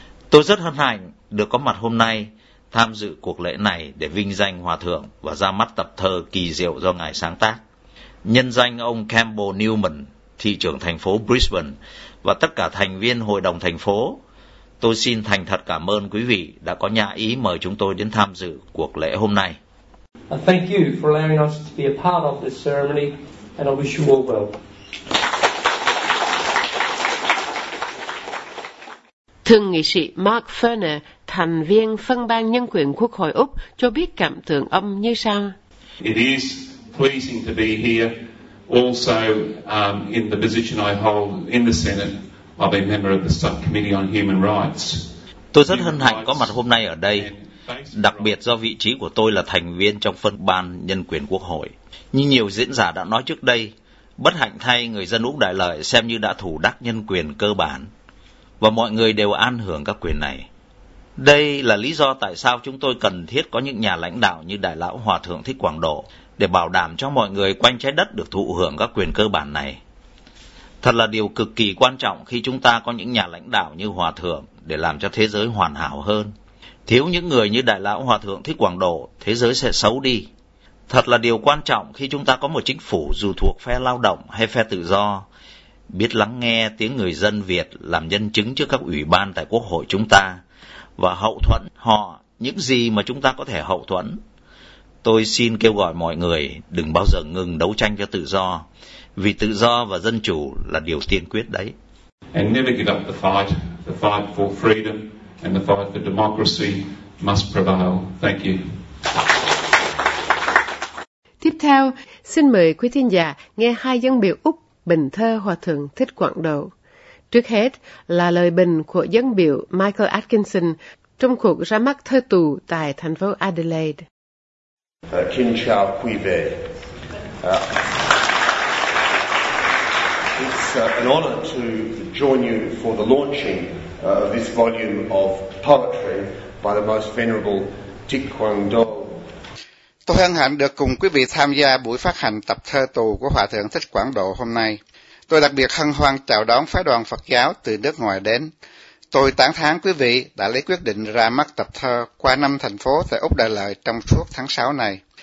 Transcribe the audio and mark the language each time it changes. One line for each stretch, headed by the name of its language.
Vietnamese: Tôi rất hân hạnh được có mặt hôm nay tham dự cuộc lễ này để vinh danh Hòa Thượng và ra mắt tập thơ kỳ diệu do Ngài sáng tác. Nhân danh ông Campbell Newman, thị trưởng thành phố Brisbane và tất cả thành viên hội đồng thành phố, tôi xin thành thật cảm ơn quý vị đã có nhã ý mời chúng tôi đến tham dự cuộc lễ hôm nay.
English: Thank you for allowing us to be a part of this ceremony, and I wish you all well.
Vietnamese: Thượng nghị sĩ Mark Ferner, thành viên phân ban nhân quyền Quốc hội Úc, cho biết cảm tưởng âm như sau.
English: It is pleasing to be here, also in the position I hold in the Senate of a member of the Subcommittee on Human Rights.
Vietnamese: Tôi rất hân hạnh có mặt hôm nay ở đây, đặc biệt do vị trí của tôi là thành viên trong phân ban nhân quyền Quốc hội. Như nhiều diễn giả đã nói trước đây, bất hạnh thay, người dân Úc đại lợi xem như đã thủ đắc nhân quyền cơ bản, và mọi người đều an hưởng các quyền này. Đây là lý do tại sao chúng tôi cần thiết có những nhà lãnh đạo như Đại lão Hòa Thượng Thích Quảng Độ để bảo đảm cho mọi người quanh trái đất được thụ hưởng các quyền cơ bản này. Thật là điều cực kỳ quan trọng khi chúng ta có những nhà lãnh đạo như Hòa Thượng để làm cho thế giới hoàn hảo hơn. Thiếu những người như Đại lão Hòa Thượng Thích Quảng Độ, thế giới sẽ xấu đi. Thật là điều quan trọng khi chúng ta có một chính phủ dù thuộc phe lao động hay phe tự do, biết lắng nghe tiếng người dân Việt làm nhân chứng trước các ủy ban tại Quốc hội chúng ta và hậu thuẫn họ những gì mà chúng ta có thể hậu thuẫn. Tôi xin kêu gọi mọi người đừng bao giờ ngừng đấu tranh cho tự do, vì tự do và dân chủ là điều tiên quyết đấy.
English: And never give up the fight for freedom and the fight for democracy must prevail. Thank you.
Vietnamese: Tiếp theo, xin mời quý thính giả nghe hai dân biểu Úc bình thơ Hòa Thượng Thích Quảng Độ. Trước hết là lời bình của dân biểu Michael Atkinson trong cuộc ra mắt thơ tù tại thành phố Adelaide. Kính chào quý vị.
English: It's an honor to join you for the launching of this volume of poetry by the most venerable Thích Quảng Độ.
Vietnamese: Tôi hân hạnh được cùng quý vị tham gia buổi phát hành tập thơ tù của Hòa Thượng Thích Quảng Độ hôm nay. Tôi đặc biệt hân hoan chào đón phái đoàn Phật giáo từ nước ngoài đến. Tôi tán thán quý vị đã lấy quyết định ra mắt tập thơ qua năm thành phố tại Úc Đại Lợi trong suốt tháng 6 này.